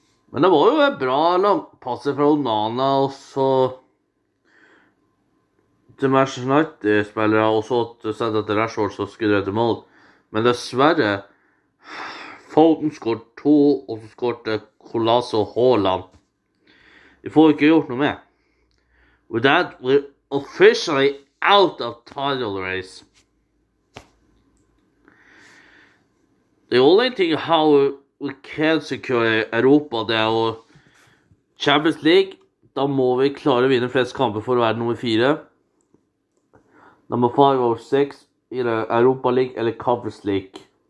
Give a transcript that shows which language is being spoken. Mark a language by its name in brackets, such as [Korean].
[Norwegian] Men det var jo en bra langpasse fra Onana, og så til Manchester United-spillere, og så sendte til Rashford, så skulle det til mål. Men dessverre, Foden skår to, og så skår det Kolas og Haaland. Vi får ikke gjort noe med. [English] With that, we're officially out of title race. [Norwegian] The only thing how we can secure Europa, det å Champions League, da må vi klare å vinne flest kamper for å være nummer 4. Nummer 5 over 6, either Europa League eller Conference League.